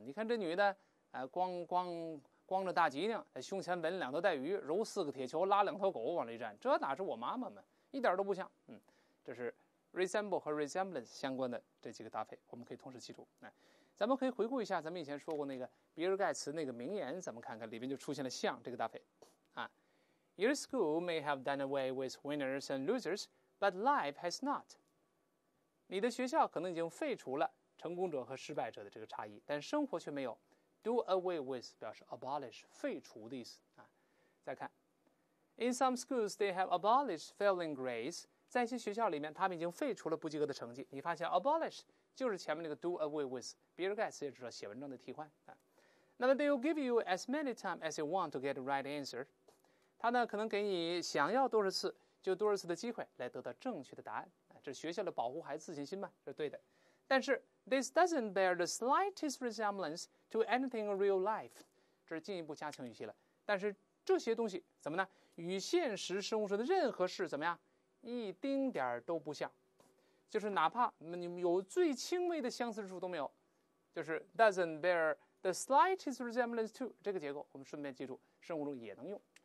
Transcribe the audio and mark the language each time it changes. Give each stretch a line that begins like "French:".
Chinese: 你看这女的，光着大吉呢，胸前纹两头带鱼，揉四个铁球，拉两头狗往里站，这哪是我妈妈嘛？一点都不像。嗯，这是 resemble 和 resemblance 相关的这几个搭配，我们可以同时记住。来，咱们可以回顾一下咱们以前说过那个比尔盖茨那个名言，咱们看看里边就出现了像这个搭配。
English: 啊 ，Your school may have done away with winners and losers. But life has not.
Chinese: 你的学校可能已经废除了成功者和失败者的这个差异，但生活却没有。
English: Do away with
Chinese: 表示 abolish 废除的意思啊。
English: 再看 ，In some schools they have abolished failing grades.
Chinese: 在一些学校里面，他们已经废除了不及格的成绩。你发现 abolish 就是前面那个
English: do away with，
Chinese: 比尔盖茨也知道写文章的替换啊。
English: 那么 they will give you as many time as you want to get the right answer.
Chinese: 他呢可能给你想要多少次。就多少次的机会来得到正确的答案，这学校的保护孩子自信心嘛，这是对的。
English: 但是 this doesn't bear the slightest resemblance to anything in real life，
Chinese: 这是进一步加强语气了。但是这些东西怎么呢？与现实生活中的任何事怎么样，一丁点都不像，就是哪怕你有最轻微的相似处都没有，就是
English: doesn't bear the slightest resemblance to
Chinese: 这个结构，我们顺便记住，生活中也能用。